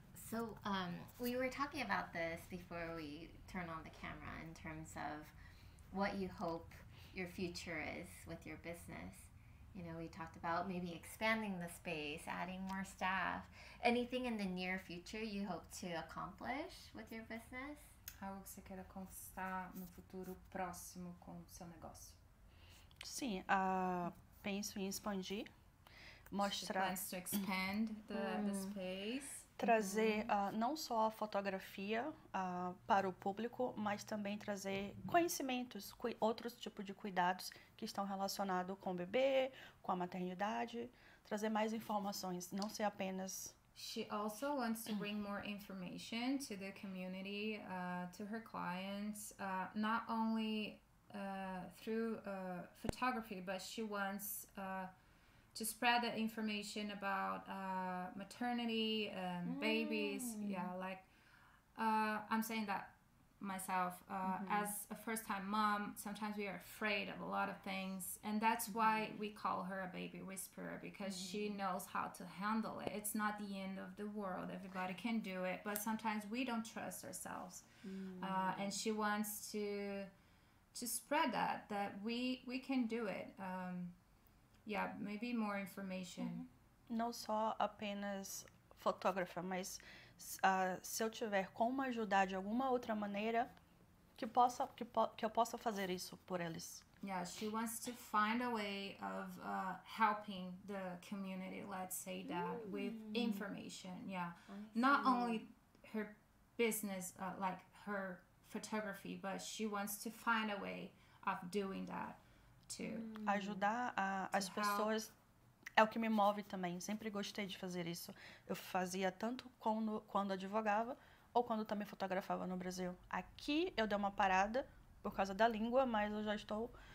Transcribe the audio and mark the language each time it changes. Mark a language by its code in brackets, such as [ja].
[en] So we were talking about this before we turn on the camera in terms of what you hope your future is with your business. You know, we talked about maybe expanding the space, adding more staff. Anything in the near future you hope to accomplish with your business? [pt] Algo que você queira conquistar no futuro próximo com o seu negócio. Sim, penso em expandir, mostrar... [en] She plans to expand the space. [pt] Trazer não só a fotografia para o público, mas também trazer conhecimentos, outros tipos de cuidados que estão relacionados com o bebê, com a maternidade. Trazer mais informações, não ser apenas... [en] She also wants to bring more information to the community, to her clients, not only... through photography, but she wants to spread the information about maternity and babies. Yeah, like I'm saying that myself as a first-time mom, sometimes we are afraid of a lot of things, and that's why we call her a baby whisperer, because she knows how to handle it. It's not the end of the world. Everybody can do it, but sometimes we don't trust ourselves. And she wants to spread that we can do it. Maybe more information. [pt] Não só apenas fotógrafa, mas se eu tiver como ajudar de alguma outra maneira, que eu possa fazer isso por eles. [en] Yeah, she wants to find a way of helping the community, let's say that, with information. Yeah, not only her business, like her photography, but she wants to find a way of doing that too. [pt] Ajudar as pessoas é o que me move também. Sempre gostei de fazer isso. Eu fazia tanto quando advogava ou quando também fotografava no Brasil. Aqui eu dei uma parada por causa da língua, mas eu já estou